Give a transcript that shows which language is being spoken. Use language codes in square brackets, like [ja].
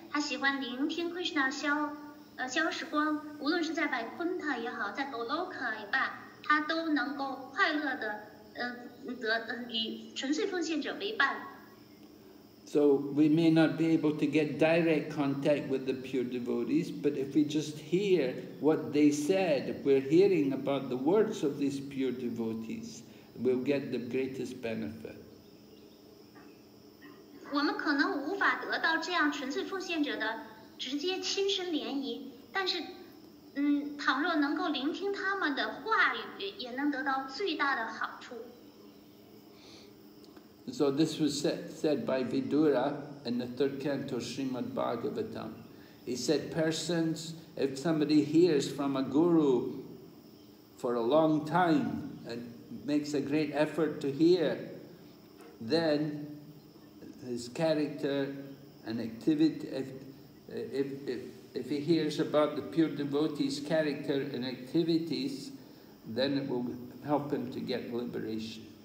[zh] 他喜欢聆听 Krishna 消时光，无论是在 Vaikuntha 也好，在 Goloka 也罢，他都能够快乐的与纯粹奉献者为伴。 [en] So we may not be able to get direct contact with the pure devotees, but if we just hear what they said, if we're hearing about the words of these pure devotees, we'll get the greatest benefit. [zh] 我们可能无法得到这样纯粹奉献者的直接亲身涟漪，但是，倘若能够聆听他们的话语，也能得到最大的好处。 [en] So this was said by Vidura in the third canto of Srimad Bhagavatam. He said, persons, if somebody hears from a guru for a long time and makes a great effort to hear, then his character and activity, if he hears about the pure devotee's character and activities, then it will help him to get liberation.